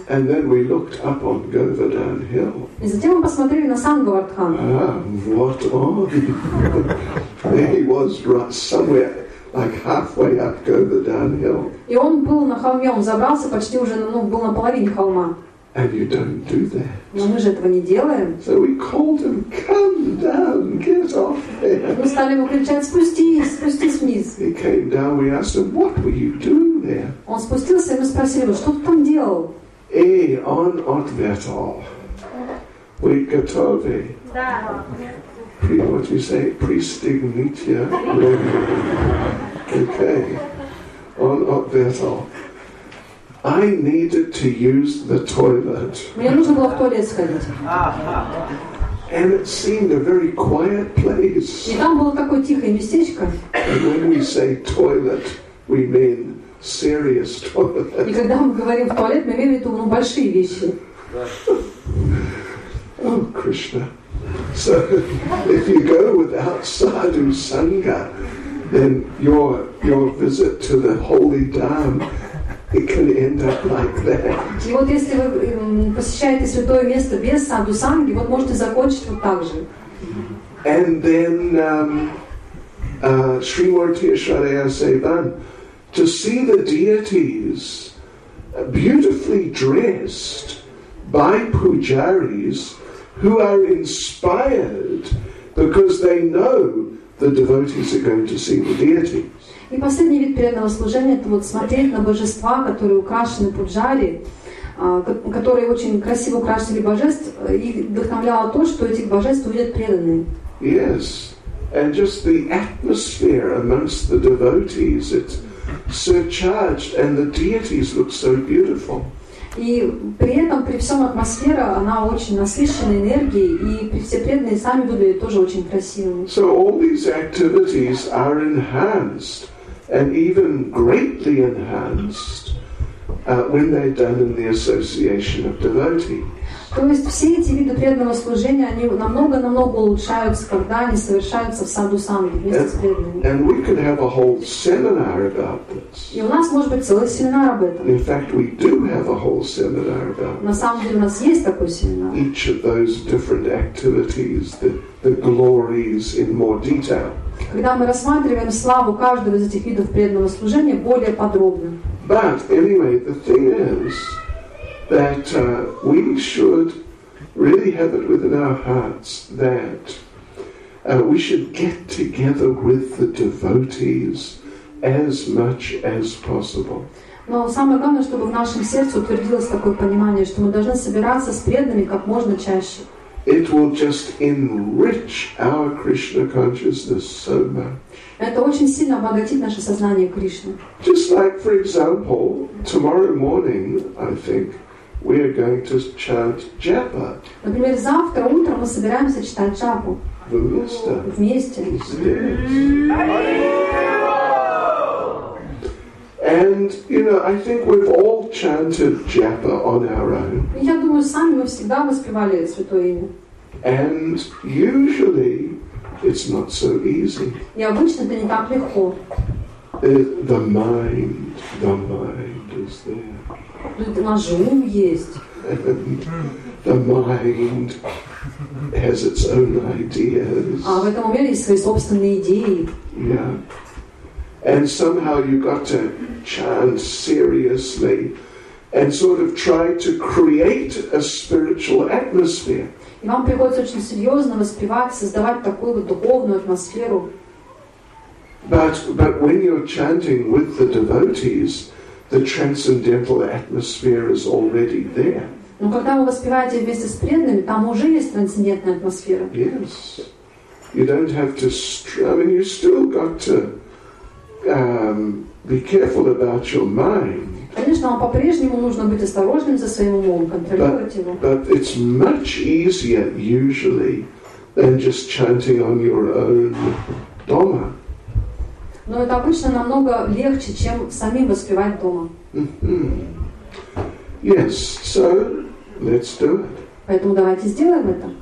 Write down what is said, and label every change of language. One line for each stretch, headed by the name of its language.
English: And then we looked up on Govardhan Hill.
Russian: И затем мы посмотрели на сам Говардхан.
English: What are you? He was right somewhere, like halfway up Govardhan Hill.
Russian: И он был на холме, он забрался почти уже, ну, был на половине холма.
English: And you don't do that.
Russian: Но мы же этого не делаем.
English: So we called him, come down, get off there.
Russian: Мы стали ему кричать, спустись вниз.
English: He came down, we asked him, what were you doing there?
Russian: Он спустился, и мы спросили его, что ты там делал? Эй, он ответил. We готовы. Да.
English: What do you say?
Russian: Пристегните.
English: Okay.
Russian: Он ответил.
English: I needed to use the toilet.
Russian: Мне нужно было в туалет сходить.
English: And it seemed a very quiet place.
Russian: И там было такое тихое местечко.
English: And when we say toilet, we mean serious toilet.
Russian: И когда мы говорим в туалет, мы имеем в виду, ну, большие вещи.
English: Oh, Krishna. So if you go without sadhu sangha, then your visit to the holy dham. It can end up like that.
Russian: И вот если вы посещаете святое место без саду санги, вот можете закончить вот так же.
English: And then Shrimurti Ashraya Sevan, to see the deities beautifully dressed by pujaris who are inspired because they know the devotees are going to see the deities.
Russian: И последний вид преданного служения — это вот смотреть на божества, которые украшены пуджари, которые очень красиво украшены божеств, и вдохновляло то, что этих божеств увидят преданные.
English: Yes, and just the atmosphere amongst the devotees, it's surcharged, and the deities look so beautiful.
Russian: И при этом, при всем атмосфера, она очень насыщена энергией, и все преданные сами выглядят тоже очень красивыми.
English: So all these activities are enhanced and even greatly enhanced when they're done in the association of devotees.
Russian: То есть все эти виды преданного служения, они намного-намного улучшаются, когда они совершаются в саду-санге вместе с преданными.
English: And we could have a whole seminar about this.
Russian: И у нас может быть целый семинар об этом.
English: In fact, we do have a whole seminar about
Russian: this. На самом деле у нас есть такой семинар.
English: Each of those different activities, the glories in more detail.
Russian: Когда мы рассматриваем славу каждого из этих видов преданного служения более подробно.
English: But anyway, the thing is that we should really have it within our hearts that we should get together with the devotees as much as possible.
Russian: Но самое главное, чтобы в нашем сердце утвердилось такое понимание, что мы должны собираться с преданными как можно чаще.
English: It will just enrich our Krishna consciousness so much.
Russian: Это очень сильно обогатит наше сознание Кришны.
English: Just like, for example, tomorrow morning, I think, we are going to chant japa.
Russian: Например, завтра утром мы собираемся читать джапу. Вместе. Вместе.
English: And, you know, I think we've all chanted japa on our own.
Russian: Я думаю, сами мы всегда воспевали святое имя.
English: And usually it's not so easy.
Russian: И обычно это не так легко.
English: The mind is there.
Russian: Тут у нас же ум есть.
English: The mind has its own ideas.
Russian: А в этом уме есть свои собственные идеи.
English: Yeah. And somehow you got to chant seriously and sort of try to create a spiritual atmosphere.
Russian: И вам приходится очень серьезно воспевать, создавать такую вот духовную атмосферу.
English: But when you're chanting with the devotees, the transcendental atmosphere is already there.
Russian: Но когда вы воспеваете вместе с преданными, там уже есть трансцендентная атмосфера.
English: Yes. You don't have to I mean, you still got to be careful about your mind.
Russian: Конечно, вам по-прежнему нужно быть осторожным за своим умом, контролировать его.
English: But it's much easier usually than just chanting on your own dhamma.
Russian: Но это обычно намного легче, чем самим воспевать дома.
English: Yes, so let's do it.
Russian: Поэтому давайте сделаем это.